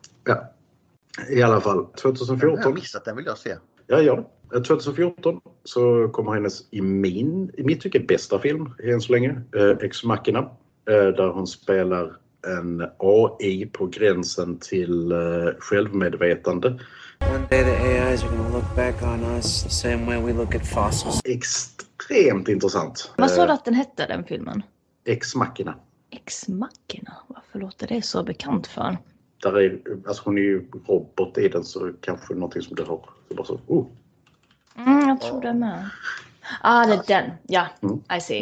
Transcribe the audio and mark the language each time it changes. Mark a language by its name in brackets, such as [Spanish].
[Swedish] Ja. I alla fall 2014. Jag har missat den, vill jag se. Ja, ja. 2014 så kommer hennes i mitt tycke bästa film än så länge, Ex Machina, där hon spelar en AI på gränsen till självmedvetande. [English] One day the AIs are gonna look back on us the same way we look at fossils. [Swedish] Extremt intressant. Vad sa du att den hette, den filmen? Ex Machina. Ex Machina? Varför låter det så bekant för? Där är, alltså hon är ju robot i den, så kanske någonting som du har. Så bara så, oh. Jag tror den är. Ah, det är den. Ja, [English] I see.